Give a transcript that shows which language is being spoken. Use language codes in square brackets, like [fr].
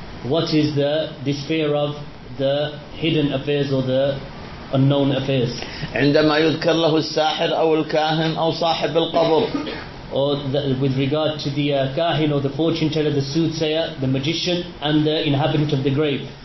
[en] What is this fear of the hidden affairs or the unknown affairs? [ar] عندما يذكر له الساحر أو الكاهن أو صاحب القبر. [en] Or with regard to the kahin or the fortune teller, the soothsayer, the magician, and the inhabitant of the grave.